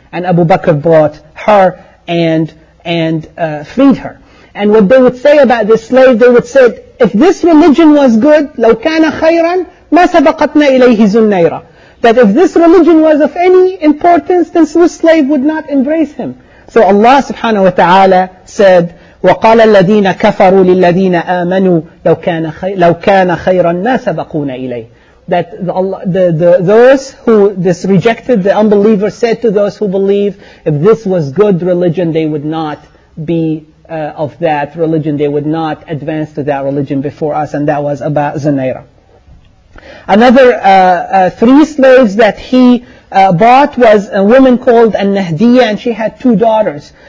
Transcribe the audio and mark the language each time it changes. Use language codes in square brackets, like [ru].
[en] And Abu Bakr bought her and freed her. And what they would say about this slave, they would say, if this religion was good, [ar] لو كان خيرا ما سبقتنا إليه زنيرة. [en] That if this religion was of any importance, then this slave would not embrace him. So Allah subhanahu wa ta'ala said, [ar] وقال الذين كفروا للذين آمنوا لو كان خيرا ما سبقونا إليه. [en] That those who this rejected, the unbeliever, said to those who believe, if this was good religion, they would not be of that religion, they would not advance to that religion before us. And that was about Zunayra. Another three slaves that he bought was a woman called An-Nahdiyah, and she had two daughters.